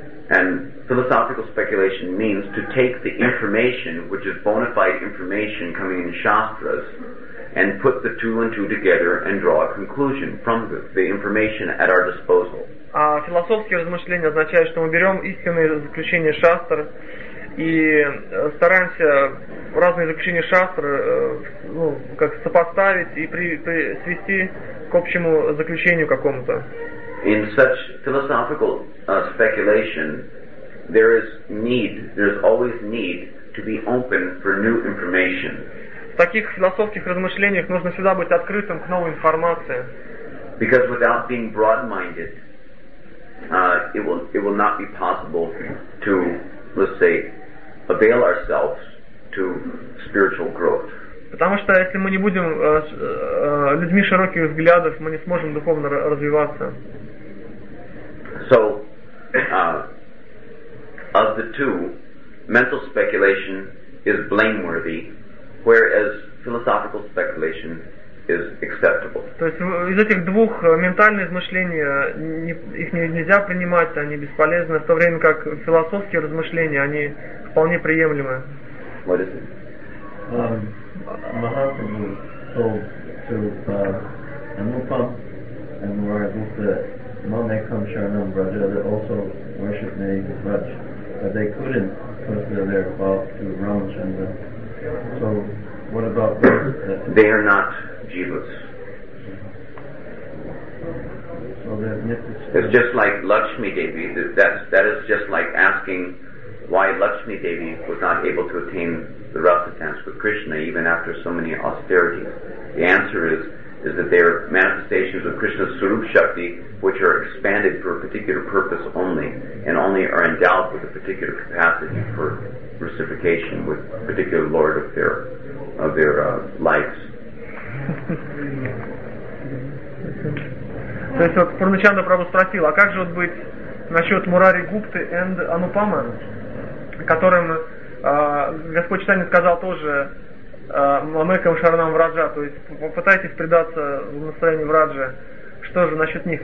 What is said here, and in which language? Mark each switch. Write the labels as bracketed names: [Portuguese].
[English] And philosophical speculation means to take the information, which is bona fide information coming in shastras, and put the two and two together and draw a conclusion from the information at our disposal. [Russian] А философские размышления означают, что мы берем истинные заключения шастр и стараемся разные заключения шастр как сопоставить и свести к общему заключению какому-то. [English] In such philosophical speculation, there is need, there is always need to be open for new information. [Russian] В таких философских размышлениях нужно всегда быть открытым к новой информации. [English] Because without being broad-minded, it will not be possible to, let's say, avail ourselves to spiritual growth. [Russian] Потому что если мы не будем людьми широких взглядов, мы не сможем духовно развиваться. [English] So, of the two, mental speculation is blameworthy, whereas philosophical speculation is acceptable. [Russian] То есть из этих двух ментальные размышления их нельзя принимать, они бесполезны, в то время как философские размышления они вполне приемлемы. [English] What is it? Mahaprabhu told to Prabhupada and Mahaprabhu Manekam Sharanam Braja, that also worship Nayi Vraj, but they couldn't because they're there about to Ramachandra. So what about them? They are not Jivas. So they're Nityas. It's just like Lakshmi Devi. That is just like asking why Lakshmi Devi was not able to attain the Rasa dance with Krishna even after so many austerities. The answer is that they are manifestations of Krishna's Swarup Shakti, which are expanded for a particular purpose only, and only are endowed with a particular capacity for reciprocation with a particular lord of their lives. [Russian] То есть вот Пурначанда Прабху спросил, а как же вот быть насчет Мурари Гупты и Анупама, которым Господь Читания сказал тоже Мамекам Шарнам Враджа, то есть попытайтесь предаться в настроении Враджа. Что же насчет них?